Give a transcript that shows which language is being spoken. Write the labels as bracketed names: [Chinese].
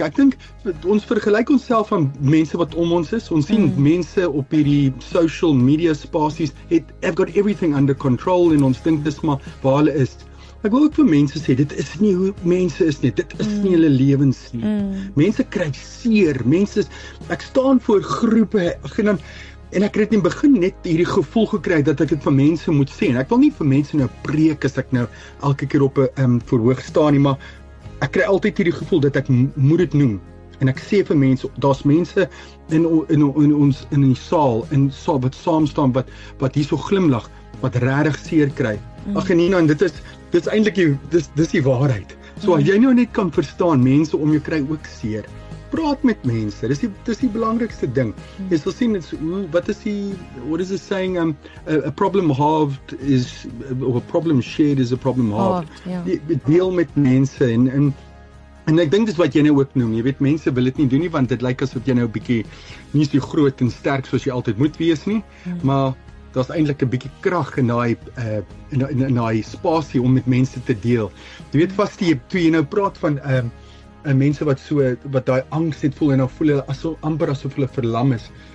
[Afrikaans] Ek dink ons vergelyk onsself aan mense wat om ons is. Ons sien mense op hierdie social media spasies het [English] I've got everything under control [Afrikaans] en ons dink dis maar waar hulle is. Ek wil ook vir mense sê dit is nie hoe mense is nie. Dit is nie hulle lewens nie. Mense kry seer. Ek staan voor groepe en ek het in begin net hierdie gevoel gekry dat ek dit van mense moet sê. En ek wil nie vir mense nou preek as ek nou elke keer op 'n verhoog staan nie, maar ek kry altyd hierdie gevoel dat ek moet dit noem. En ek sê vir mense, daar's mense in ons in die saal in so wat saam staan wat hierso glimlag wat regtig seer kry. Ag Nina, en dit is eintlik die waarheid. So as jy nou net kan verstaan, mense om jou kry ook seer. Praat met mense. Dis die belangrikste ding. Jy sal sien [English] what is the saying a problem halved is of a problem shared is a problem halved. [Afrikaans] Deel met mense en ek dink dis wat jy nou ook noem. Jy weet mense wil dit nie doen nie want dit lyk asof jy nou 'n bietjie nie so groot en sterk soos jy altyd moet wees nie. Maar daar's eintlik 'n bietjie krag in daai in daai spasie om met mense te deel. Jy weet vas die toe jy nou praat van mense wat so wat daai angs het voel en dan voel hulle asof hulle verlam is.